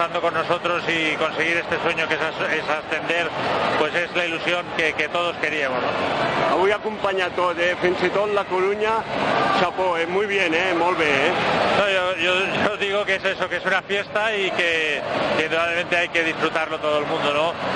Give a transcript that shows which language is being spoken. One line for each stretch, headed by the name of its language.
Spanish: Estando con nosotros y conseguir este sueño que es ascender, pues es la ilusión que todos queríamos, ¿no?
Catalan: Avui acompanya tot, fins i tot la Coruña, chapó,
Spanish: muy bien,
Catalan: molt bé,
Spanish: No, yo digo que es eso, que es una fiesta y que realmente hay que disfrutarlo todo el mundo, ¿no?